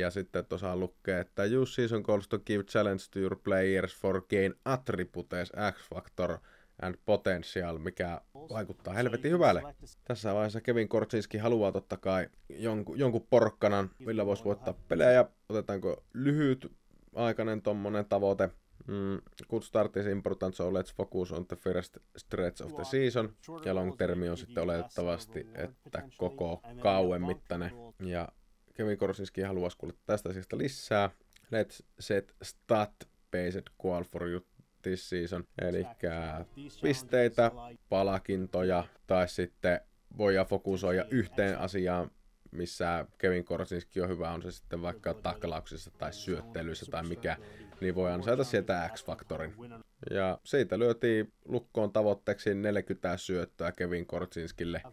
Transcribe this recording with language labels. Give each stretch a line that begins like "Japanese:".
Finnish: Ja sitten tuossa lukee, että
English: just season goals to give challenge to your players for gain attributes, X-factor and potential,
Finnish: mikä vaikuttaa helvetin hyvälle. Tässä vaiheessa Kevin Korczynski haluaa totta kai jonkun porkkanan, millä voisi voittaa pelejä, ja otetaanko lyhyt aikainen tuommoinen tavoite.
English: Good start is important, so let's focus on the first stretch of the season.
Finnish: Ja long termi on sitten oletettavasti, että koko kauen mittainen. Ja Kevin Korczynski haluaisi kuulla tästä asiasta lisää.
English: Let's set stat-based goal for you this season.
Finnish: Elikkä pisteitä, palakintoja, tai sitten voidaan fokusoida yhteen asiaan, missä Kevin Korczynski on hyvä, on se sitten vaikka taklauksissa tai syöttelyissä tai mikä, niin voi ansaita sieltä X-faktorin. Ja siitä lyötiin lukkoon tavoitteeksi 40 syöttöä Kevin Korczynskille.